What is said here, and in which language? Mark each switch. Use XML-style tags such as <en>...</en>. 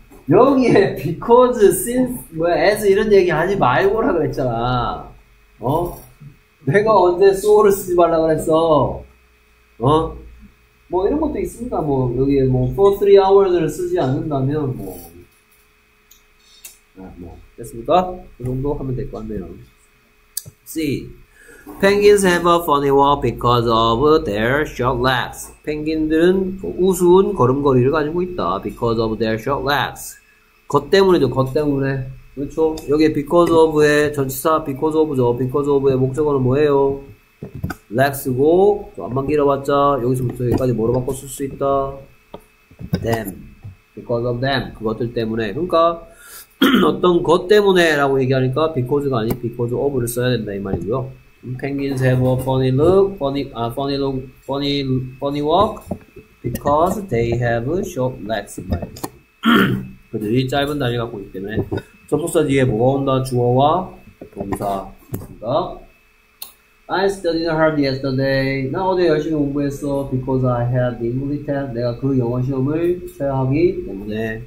<ko>여기에 because, since, 뭐, as 이런 얘기 하지 말고라 그랬잖아. 어? 내가 언제 so를 쓰지 말라 그랬어. 어? 뭐 이런 것도 있습니다. 뭐 여기에 뭐</ko> <en>for 3 hours</en> <ko>를 쓰지 않는다면 뭐. 아, 뭐 됐습니까? 그 정도 하면 될 것 같네요.</ko> <en>See. Penguins have a funny walk because of their short legs.</en> <ko>펭귄들은 우스운 걸음걸이를 가지고 있다.</ko> <en>Because of their short legs.</en> <ko>겉 때문이죠. 겉 때문에. 그렇죠? 여기 because of의 전치사 because of죠. Because of의 목적어는 뭐예요? legs고 안만 길어봤자 여기서부터 여기까지 뭐로 바꿔 쓸 수 있다? them.</ko> <en>Because of them.</en> <ko>그것들 때문에. 그러니까 어떤 것 때문에 라고 얘기하니까 because가 아닌 because of를 써야 된다 이 말이고요.</ko> <en>Penguins have a funny look, funny walk because they have short legs.</en> <ko>그들이 짧은 다리 갖고 있기 때문에. 접속사 뒤에 뭐가 온다? 주어와 동사. 그러니까.</ko> <en>I studied hard yesterday.</en> <ko>나 어제 열심히 공부했어.</ko> <en>Because I had the English test.</en> <ko>내가 그 영어 시험을 쳐야 하기 때문에.</ko>